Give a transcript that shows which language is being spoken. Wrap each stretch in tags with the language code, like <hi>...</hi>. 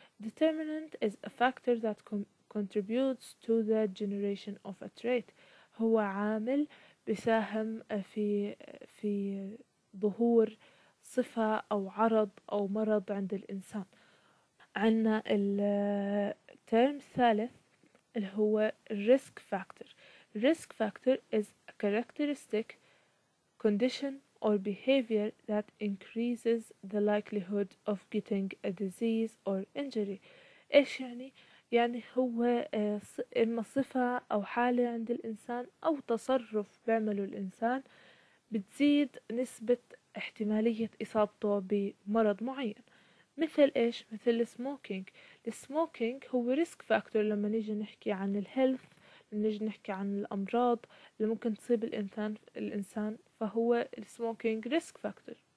<en>Determinant is a factor that contributes to the generation of a trait،</en> <ar>هو عامل بيساهم في ظهور صفة أو عرض أو مرض عند الإنسان. عندنا الترم الثالث اللي هو risk factor.</ar> <en>Risk factor is a characteristic condition or behavior that increases the likelihood of getting a disease or injury.</en> <ar>إيش يعني؟ يعني هو إما صفة أو حالة عند الإنسان أو تصرف بعمله الإنسان بتزيد نسبة احتمالية إصابته بمرض معين. مثل إيش؟ مثل السموكينج. السموكينج هو ريسك فاكتور لما نيجي نحكي عن الهيلث، لما نيجي نحكي عن الأمراض اللي ممكن تصيب الإنسان، فهو السموكينج ريسك فاكتور.</ar>